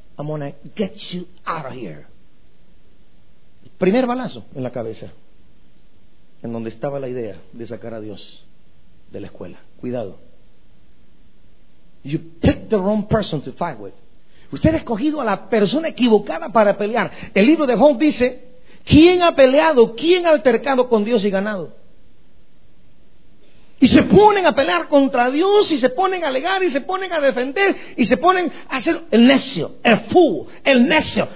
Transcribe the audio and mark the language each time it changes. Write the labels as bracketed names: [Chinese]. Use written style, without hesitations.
[English] I'm gonna get you out of here. [Spanish] Primer balazo en la cabeza, en donde estaba la idea de sacar a Dios de la escuela. Cuidado. [English] You picked the wrong person to fight with. [Spanish] Usted ha escogido a la persona equivocada para pelear. El libro de Job dice: ¿quién ha peleado? ¿Quién ha altercado con Dios y ganado? Y se ponen a pelear contra Dios, y se ponen a alegar, y se ponen a defender, y se ponen a hacer el necio, el fool, el necio.